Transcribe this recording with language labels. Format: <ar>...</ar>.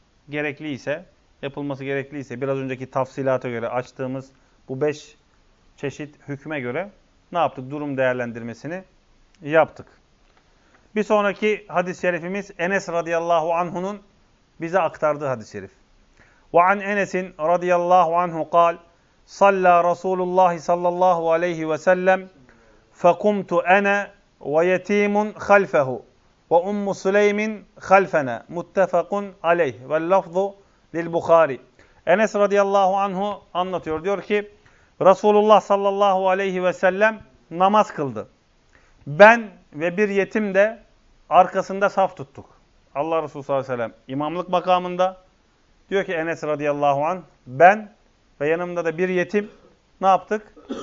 <tr>Gerekli ise, yapılması gerekli ise biraz önceki tafsilata göre açtığımız bu beş çeşit hükme göre ne yaptık? Durum değerlendirmesini yaptık. Bir sonraki hadis-i şerifimiz Enes radıyallahu anhu'nun bize aktardığı hadis-i şerif.</tr> <ar>وَعَنْ اَنَسٍ رَضِيَ اللّٰهُ عَنْهُ قَالْ صَلَّى رَسُولُ اللّٰهِ صَلَّى اللّٰهُ عَلَيْهِ وَسَلَّمْ فَقُمْتُ اَنَا وَيَت۪يمٌ خَلْفَهُ وَاُمُّ سُلَيْمٍ خَلْفَنَا مُتَّفَقٌ عَلَيْهِ وَاللَّفْظُ لِلْبُخَارِ</ar> <tr>Enes radıyallahu anhu anlatıyor. Diyor ki Resulullah sallallahu aleyhi ve sellem namaz kıldı. Ben ve bir yetim de arkasında saf tuttuk. Allah Resulü sallallahu aleyhi ve sellem imamlık makamında. Diyor ki Enes radıyallahu anh ben ve yanımda da bir yetim ne yaptık?</tr>